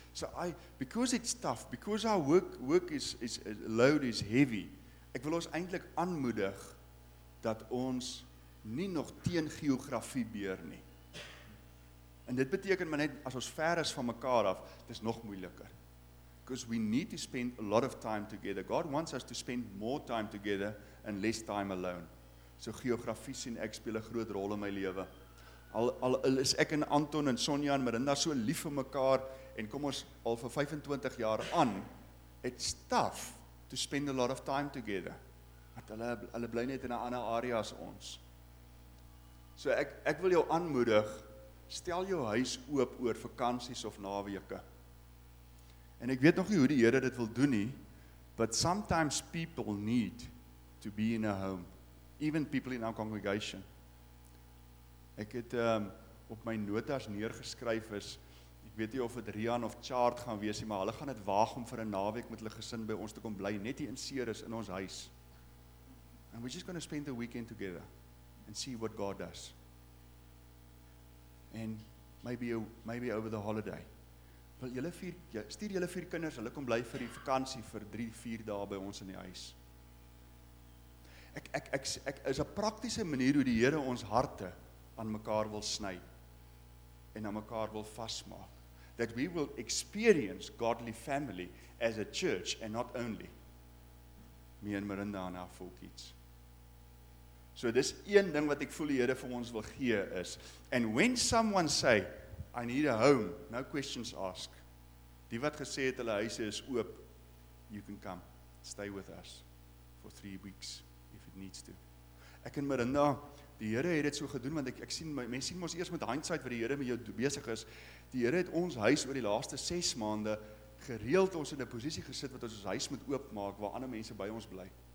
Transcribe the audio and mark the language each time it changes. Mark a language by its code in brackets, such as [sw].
[en] So because it's tough, because our work is load is heavy. [af] Ek wil ons eintlik aanmoedig dat ons nie nog teen geografie beer nie. En dit beteken maar net as ons ver is van mekaar af, dis nog moeiliker. [en] Because we need to spend a lot of time together. God wants us to spend more time together and less time alone. [af] So geografie sien ek speel 'n groot rol in my lewe. Al is ek en Anton en Sonja en Marinda so lief vir mekaar en kom ons al vir 25 jaar aan, [en] it's tough to spend a lot of time together. [af] Want hulle bly net in 'n ander area as ons. So ek wil jou aanmoedig, stel jou huis oop oor vakansies of naweke. En ek weet nog nie hoe die Here dit wil doen nie, [en] but sometimes people need to be in a home, even people in our congregation. [af] Ek het op my notas neergeskryf is, ek weet nie of dit Rian of Chart gaan wees nie, maar hulle gaan dit waag om vir 'n naweek met hulle gesin by ons te kom bly, net hier in Ceres in ons huis. [en] And we're just going to spend the weekend together and see what God does. And maybe over the holiday. [af] Wil julle vier, stuur julle vier kinders, hulle kom bly vir die vakansie vir 3-4 dae by ons in die huis. Ek is 'n praktiese manier hoe die Here ons harte aan mekaar wil sny en aan mekaar wil vasmaak. [en] That we will experience godly family as a church and not only me and Marinda and our four kids. [af] So dis een ding wat ek voel die Here vir ons wil gee is, [en] and when someone say I need a home, no questions ask. [af] Die wat gesê het hulle huise is oop, [en] you can come. Stay with us for 3 weeks if it needs to. [af] Ek en Marinda, die Here het dit so gedoen want ek sien my mense sien mos eers met hindsight wat die Here met jou besig is. Die Here het ons huis oor die laaste 6 maande gereeld ons in 'n posisie gesit wat ons huis moet oopmaak waar ander mense by ons bly.